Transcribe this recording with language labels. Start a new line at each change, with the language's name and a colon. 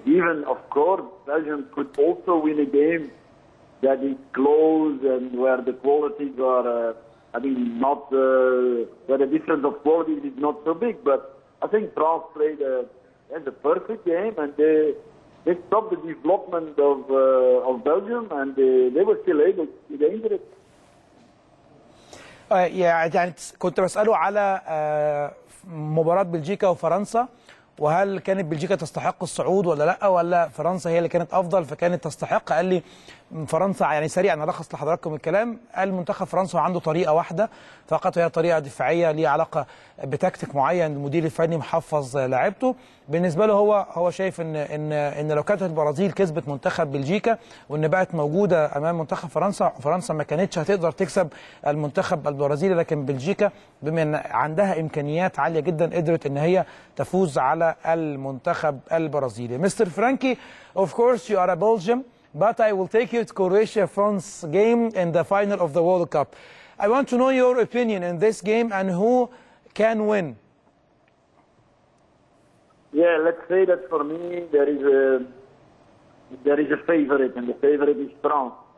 English: Even, of course, Belgium could also win a game that is close and where the qualities are, where the difference of qualities is not so big, but I think France played and the perfect game, and they stopped the development of Belgium, and they were still able to endure it.
Arabic: يعني كنت بسأله على مباراة بلجيكا وفرنسا، وهل كانت بلجيكا تستحق الصعود ولا لا، ولا فرنسا هي اللي كانت افضل فكانت تستحق. قال لي من فرنسا يعني سريعا الخص لحضراتكم الكلام، قال منتخب فرنسا عنده طريقه واحده فقط وهي طريقه دفاعيه ليها علاقه بتكتيك معين المدير الفني محفظ لاعبته. بالنسبه له هو شايف ان لو كانت البرازيل كسبت منتخب بلجيكا وان بقت موجوده امام منتخب فرنسا، فرنسا ما كانتش هتقدر تكسب المنتخب البرازيلي، لكن بلجيكا بما ان عندها امكانيات عاليه جدا قدرت ان هي تفوز على المنتخب البرازيلي.
English: Mister Frankie, of course you are a Belgium But I will take you to Croatia-France game in the final of the World Cup. I want to know your opinion in this game and who can win. Yeah, let's say that for me there is a favorite, and the favorite is France.